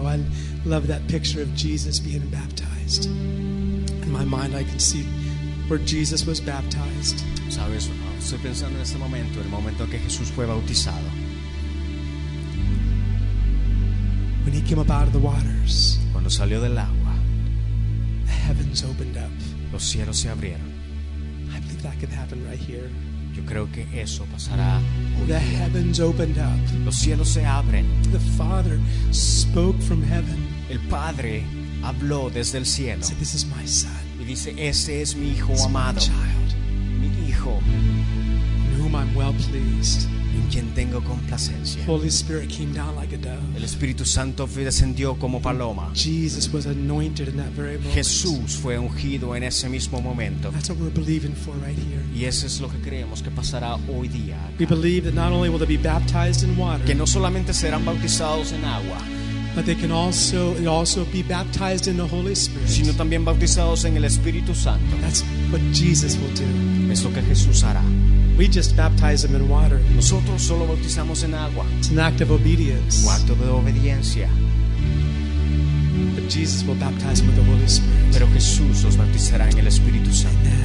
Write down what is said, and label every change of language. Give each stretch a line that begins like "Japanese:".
English: Oh, I love that picture of Jesus being baptized. In my mind, I can see where Jesus was baptized.
Spanish: Sabes, estoy pensando en este momento, el momento que Jesús fue bautizado.
English: When he came up out of the waters,
Spanish: cuando salió del agua,
English: the heavens opened up.
Spanish: Los cielos se abrieron.
English: I believe that could happen right here.
Spanish: Yo creo que eso pasará.
English: The heavens opened up.
Spanish: Los cielos se abren.
English: The Father spoke from heaven.
Spanish: El Padre habló desde el cielo.
English: Said, "This is my son."
Spanish: Y dice, "Este es mi hijo amado."
English: My child.
Spanish: Mi hijo.
English: In whom I'm well pleased.
Spanish: En quien tengo complacencia.
English: Holy Spirit came down like a dove.
Spanish: El Espíritu Santo descendió como paloma.
English: Jesus was anointed in that very moment.
Spanish: Jesús fue ungido en ese mismo momento.
English: That's what we're believing for right here.
Spanish: Y eso es lo que creemos que pasará hoy día.
English: We believe that not only will they be baptized in water,
Spanish: que no solamente serán bautizados en agua,
English: but they can also be baptized in the Holy Spirit,
Spanish: sino también bautizados en el Espíritu Santo.
English: That's what Jesus will do.
Spanish: Es lo que Jesús hará.
English: We just baptize them in water.
Spanish: Nosotros solo bautizamos en agua.
English: It's an act of obedience.
Spanish: Un acto de obediencia.
English: But Jesus will baptize them with the Holy Spirit.
Spanish: Pero Jesús los bautizará en el Espíritu Santo.